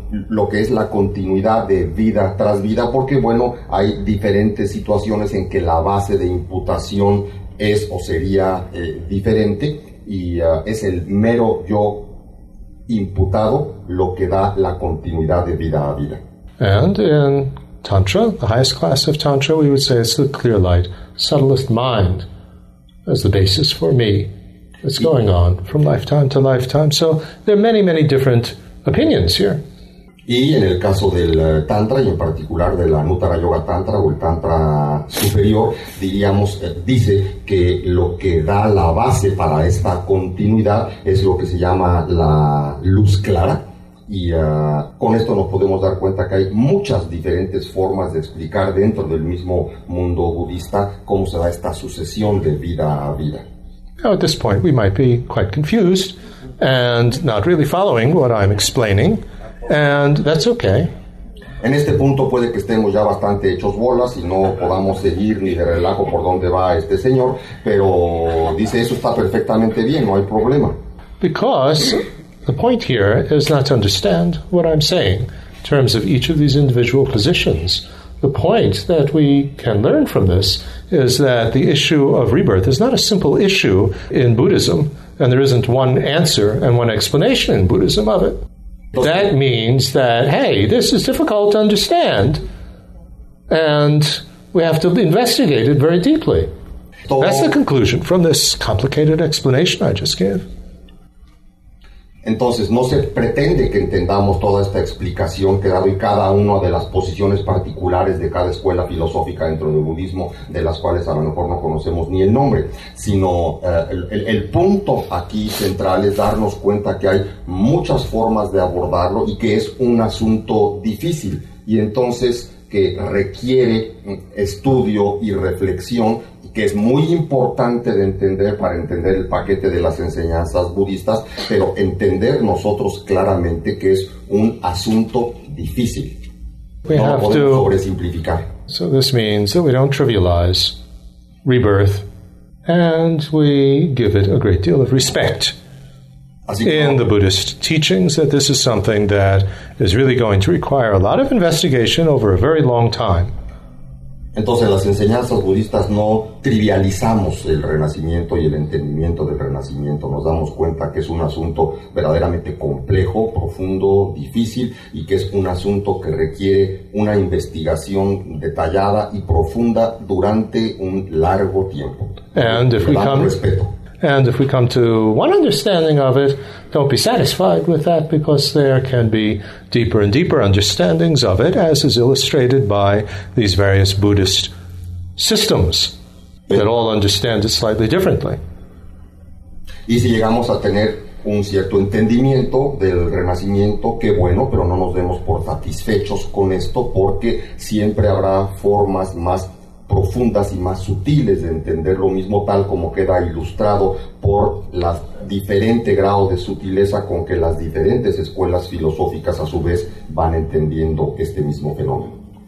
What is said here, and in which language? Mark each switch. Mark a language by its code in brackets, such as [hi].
[es] lo que es la continuidad de vida tras vida, porque bueno, hay diferentes situaciones en que la base de imputación es o sería diferente, y es el mero yo imputado lo que da la continuidad de vida a vida. [en] And in Tantra, the highest class of Tantra, we would say it's the clear light, subtlest mind, as the basis for me. It's going on from lifetime to lifetime. So there are many, many different opinions here. [es] Y en el caso del Tantra, y en particular de la Nuttara Yoga Tantra o el Tantra superior, diríamos, dice que lo que da la base para esta continuidad es lo que se llama la luz clara. Y con esto nos podemos dar cuenta que hay muchas diferentes formas de explicar dentro del mismo mundo budista cómo se da esta sucesión de vida a vida. [en] Now at this point we might be quite confused and not really following what I'm explaining, and that's okay. [es] En este punto puede que estemos ya bastante hechos bolas y no podamos seguir ni de relajo por dónde va este señor, pero dice eso está perfectamente bien, no hay problema. [en] Because the point here is not to understand what I'm saying in terms of each of these individual positions. The point that we can learn from this is that the issue of rebirth is not a simple issue in Buddhism, and there isn't one answer and one explanation in Buddhism of it. That means that, hey, this is difficult to understand, and We have to investigate it very deeply. That's the conclusion from this complicated explanation I just gave. [es] Entonces, no se pretende que entendamos toda esta explicación que he dado y cada una de las posiciones particulares de cada escuela filosófica dentro del budismo, de las cuales a lo mejor no conocemos ni el nombre, sino el punto aquí central es darnos cuenta que hay muchas formas de abordarlo y que es un asunto difícil, y entonces que requiere estudio y reflexión, que es muy importante de entender para entender el paquete de las enseñanzas budistas, pero entender nosotros claramente que es un asunto difícil. [en] We have to [es] sobresimplificar. [en] So this means that we don't trivialize rebirth and we give it a great deal of respect. In the Buddhist teachings, that this is something that is really going to require a lot of investigation over a very long time. [es] Entonces, las enseñanzas budistas no trivializamos el renacimiento y el entendimiento del renacimiento. Nos damos cuenta que es un asunto verdaderamente complejo, profundo, difícil, y que es un asunto que requiere una investigación detallada y profunda durante un largo tiempo. [en] And if we come, [es] respeto. [en] And if we come to one understanding of it, don't be satisfied with that, because there can be deeper and deeper understandings of it, as is illustrated by these various Buddhist systems that all understand it slightly differently. [es] Y si llegamos a tener un cierto entendimiento del renacimiento, qué bueno, pero no nos demos por satisfechos con esto, porque siempre habrá formas más profundas y más sutiles de entender lo mismo, tal como queda ilustrado por la diferente grado de sutileza con que las diferentes escuelas filosóficas a su vez van entendiendo este mismo fenómeno.